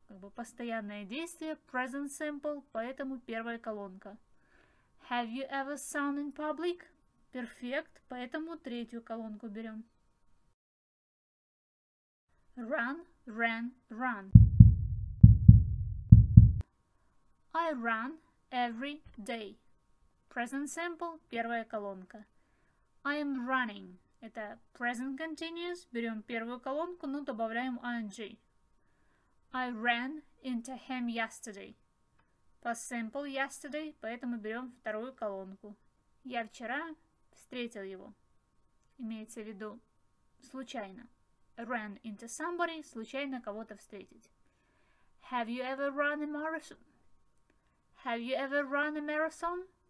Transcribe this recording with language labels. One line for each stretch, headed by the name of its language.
Russian: Как бы постоянное действие, present simple, поэтому первая колонка.
English: Have you ever sung in public?
Russian: Perfect, поэтому третью колонку берем.
English: Run, ran, run. I run every day. Present simple,
Russian: первая колонка.
English: I am running.
Russian: Это present continuous. Берем первую колонку, но добавляем ing.
English: I ran into him yesterday.
Russian: Past simple yesterday, поэтому берем вторую колонку. Я вчера встретил его. Имеется в виду случайно.
English: Ran into somebody,
Russian: случайно кого-то встретить.
English: Have you ever run a marathon? Have you ever run a marathon?